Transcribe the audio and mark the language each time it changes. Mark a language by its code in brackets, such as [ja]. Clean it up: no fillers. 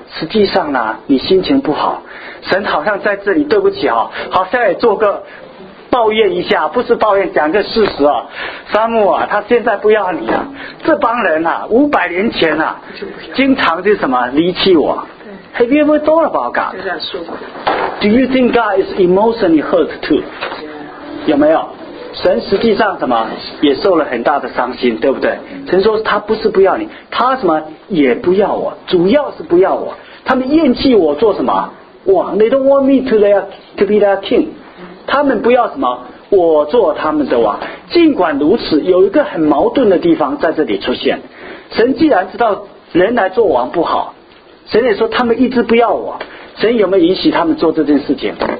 [zh] 实际上呢，你心情不好，神好像在这里，对不起啊，好像也做个抱怨一下，不是抱怨，讲个事实啊。撒母耳他现在不要你了、啊，这帮人啊，五百年前啊，经常就什么离弃我。 [en] Have you ever thought about God? Do you think God is emotionally hurt too? [zh] 有没有？神实际上什么也受了很大的伤心，对不对？神说他不是不要你，他什么也不要我，主要是不要我。他们厌弃我做什么？ [en] 哇 ，They don't want me to be their king. [zh] 他们不要什么，我做他们的王。尽管如此，有一个很矛盾的地方在这里出现。神既然知道人来做王不好。神也说他们一直不要我，神有没有允许他们做这件事情？